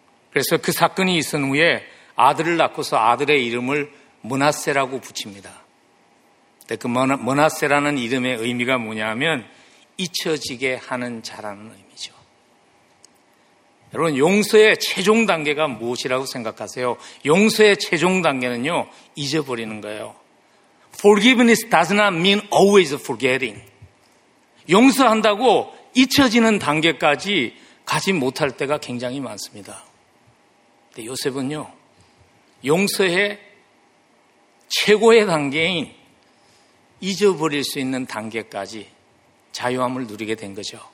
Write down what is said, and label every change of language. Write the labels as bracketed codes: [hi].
[ko] 그래서 그 사건이 있은 후에 아들을 낳고서 아들의 이름을 므낫세라고 붙입니다. 그 므낫세라는 이름의 의미가 뭐냐면 잊혀지게 하는 자라는 의미죠. 여러분 용서의 최종 단계가 무엇이라고 생각하세요? 용서의 최종 단계는요, 잊어버리는 거예요. [en] Forgiveness does not mean always forgetting. [ko] 용서한다고 잊혀지는 단계까지 가지 못할 때가 굉장히 많습니다. 근데 요셉은요, 용서의 최고의 단계인 잊어버릴 수 있는 단계까지 자유함을 누리게 된 거죠.